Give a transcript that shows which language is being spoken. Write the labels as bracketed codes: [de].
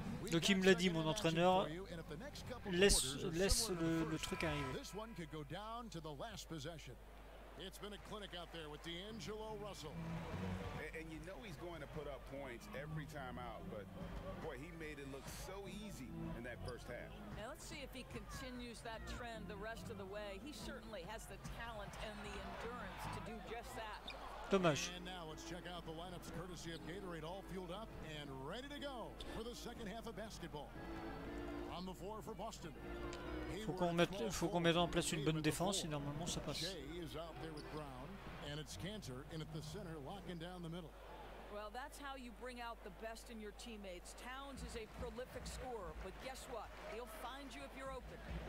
[fr] Donc il me l'a dit, mon entraîneur, laisse le truc arriver. [en] This one could go down to the last possession. It's been a clinic out there with D'Angelo Russell. And you know he's going to put up points every time out, but boy, he made it look so easy in that first half. Now let's see if he continues that trend the rest of the way. He certainly has the talent and the endurance to do just that. [fr] Dommage. [en] And now let's check out the lineups courtesy of Gatorade, all fueled up and ready to go for the second half of basketball. On the floor for Boston. [fr] Faut qu'on mette en place une bonne défense et normalement ça passe. [en] Jay is out there with Brown and it's Cantor in at the center locking down the middle. Well, that's how you bring out the best in your teammates. Towns is a prolific scorer, but guess what? He'll find you if you're open.